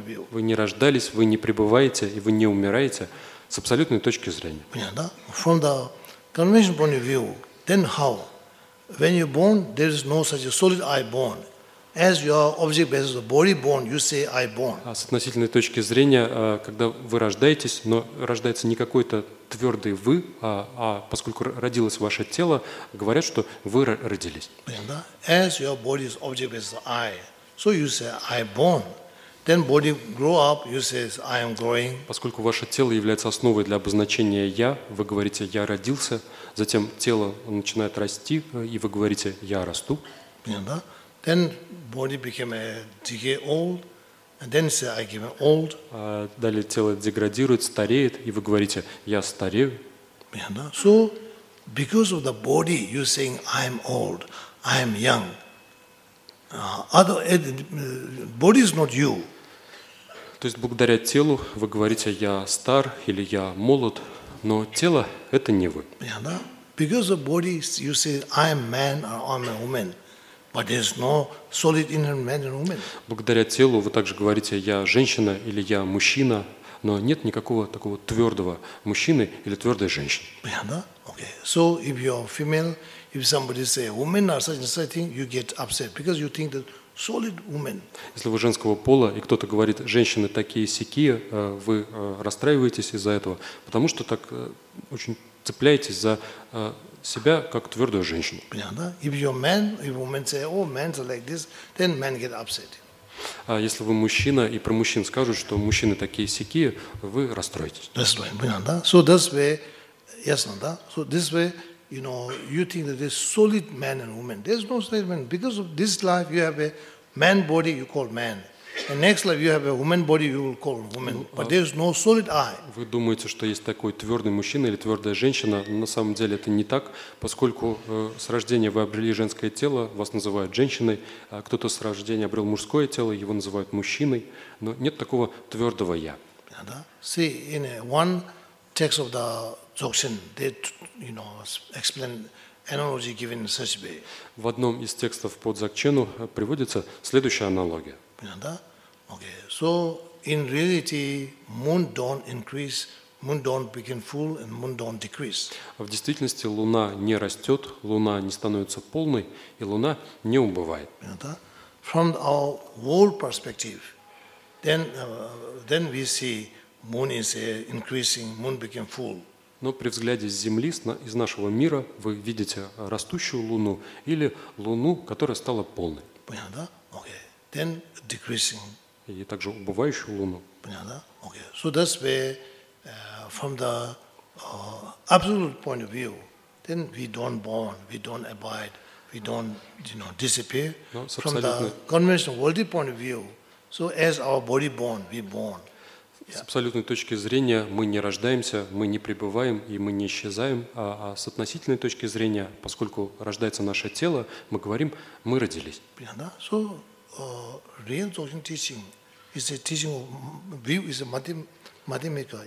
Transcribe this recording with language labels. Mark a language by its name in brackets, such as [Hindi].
[Russian] Вы не рождались, вы не пребываете и вы не умираете с абсолютной точки зрения. [English] Yeah, [Russian] да? [English] From the conventional point of view, then how? When you born, there is no such a solid I born. As your object basis of body born, you say I born. [Russian] А с относительной точки зрения, когда вы рождаетесь, но рождается не какой-то твердый вы, а поскольку родилось ваше тело, говорят, что вы родились. [English] As your body is object basis of I, so you say I born. Then body grow up, you say I am growing. [Russian] Поскольку ваше тело является основой для обозначения я, вы говорите я родился. Затем тело начинает расти, и вы говорите я расту. [English] Then body became a decay old, and then say I became old. [Russian] Далее тело деградирует, стареет, и вы говорите я старею. [English] Yeah, no? So because of the body, you saying I am old, I am young. Body is not you. [Russian] То есть благодаря телу вы говорите я стар или я молод, но тело это не вы. [English] Yeah, no? Because of body, you say I am man or I am a woman. But there's no solid inner man and woman. [Russian] Благодаря телу вы также говорите я женщина или я мужчина, но нет никакого такого твердого мужчины или твердой женщины. [English] Yeah, [Russian] да? [English] Okay. So if you are female, if somebody say woman or such and such thing, you get upset because you think that solid woman. [Russian] Если вы женского пола и кто-то говорит женщины такие сякие, вы расстраиваетесь из-за этого, потому что так очень цепляетесь за себя как твердую женщину. Понятно? [English] If you're man, if women say, oh, men are like this, then men get upset. [Russian] А если вы мужчина и про мужчин скажут, что мужчины такие сякие, вы расстроитесь. [English] That's right. [Russian] Понятно? [English] So this way, yes, no, [Russian] да? [English] So this way, you know, you think that there's solid man and woman. There's no solid man because of this life you have a man body, you call man. And next life you have a woman body, you will call woman. But there is no solid I. [Russian] Вы думаете, что есть такой твердый мужчина или твердая женщина? На самом деле это не так, поскольку с рождения вы обрели женское тело, вас называют женщиной. Кто-то с рождения обрел мужское тело, его называют мужчиной. Но нет такого твердого я. [English] See, in one text of the Dzogchen, they, you know, explain analogy given in such a way. [Russian] В одном из текстов по Дзогчену приводится следующая аналогия. [English] Yeah, [Russian] да? [English] Okay. So in reality, moon dawn increase, moon dawn begin full, and moon dawn decrease. [Russian] В действительности луна не растет, луна не становится полной, и луна не убывает. [English] Yeah, [Russian] да? [English] From our world perspective, then we see moon is increasing, moon begin full. [Russian] Но при взгляде с Земли, из нашего мира, вы видите растущую луну или луну, которая стала полной. Понятно, да? [English] Okay. Then decreasing. [Russian] И также убывающую луну. Понятно? [English] Okay. So that's where, from the absolute point of view, then we don't born, we don't abide, we don't, you know, disappear. From the conventional worldly point of view, so as our body born, we born. [Russian] С абсолютной точки зрения мы не рождаемся, мы не пребываем и мы не исчезаем, а с относительной точки зрения, поскольку рождается наше тело, мы говорим, мы родились. Понятно? [English] So real Dzogchen teaching is a teaching of view is a madhyamika.